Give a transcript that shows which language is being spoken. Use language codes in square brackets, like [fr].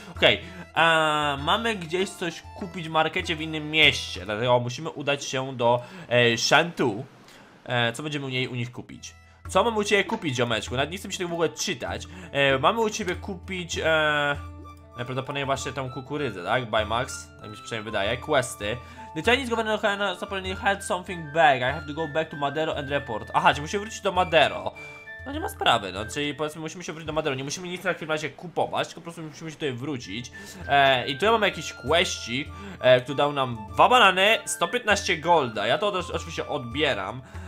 [pl] Okej, okay. Mamy gdzieś coś kupić w markecie w innym mieście, dlatego musimy udać się do Shantou. Co będziemy u nich kupić? Co mam u ciebie kupić, ziomeczku? Nawet nie chcę mi się tego w ogóle czytać. Mamy u ciebie kupić... Najprawdopodobniej właśnie tą kukurydzę, tak? Bimax, tak mi się przynajmniej wydaje. Questy. [en] The Chinese governor has apparently had something back. I have to go back to Madero and report. [pl] Aha, czyli musimy wrócić do Madero. No nie ma sprawy, no czyli powiedzmy musimy się wrócić do Madero. Nie musimy nic na chwilę się kupować, tylko po prostu musimy się tutaj wrócić. I tu ja mam jakiś questik, który dał nam 2 banany, 115 golda. Ja to oczywiście odbieram.